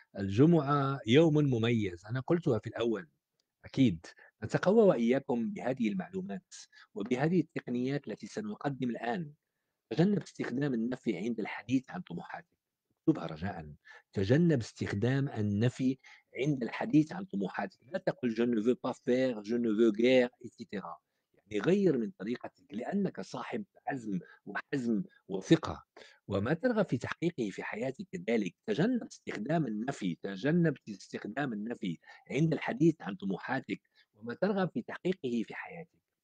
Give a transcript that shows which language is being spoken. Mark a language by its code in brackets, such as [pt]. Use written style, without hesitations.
[ar] الجمعة يوم مميز، أنا قلتها في الأول. أكيد نتقوى وإياكم بهذه المعلومات وبهذه التقنيات التي سنقدم الآن. تجنب استخدام النفي عند الحديث عن طموحاتك، اكتبها رجاء، تجنب استخدام النفي عند الحديث عن طموحاتك. لا تقل [fr] je ne veux pas faire, je ne veux guère, etc. [ar] يعني غير من طريقتك، لأنك صاحب عزم وحزم وثقة وما ترغب في تحقيقه في حياتك. كذلك تجنب استخدام النفي، تجنب استخدام النفي عند الحديث عن طموحاتك وما ترغب في تحقيقه في حياتك.